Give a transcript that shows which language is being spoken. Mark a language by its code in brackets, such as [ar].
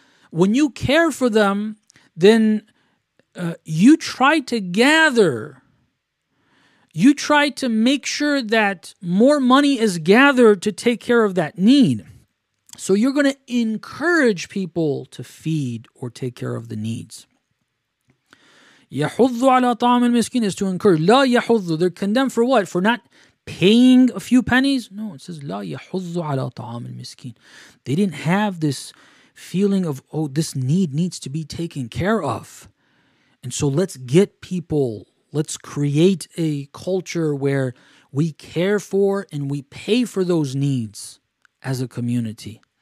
[en] When you care for them, then you try to gather. You try to make sure that more money is gathered to take care of that need. So you're going to encourage people to feed or take care of the needs. [ar] يَحُضُّ عَلَى طَعَامِ الْمِسْكِينِ [en] is to encourage. [ar] لَا يَحُضُّ, [en] they're condemned for what? For not paying a few pennies? No, it says [ar] لَا يَحُضُّ عَلَى طَعَامِ الْمِسْكِينِ. [en] They didn't have this feeling of, oh, this need needs to be taken care of. And so let's get people, let's create a culture where we care for and we pay for those needs as a community.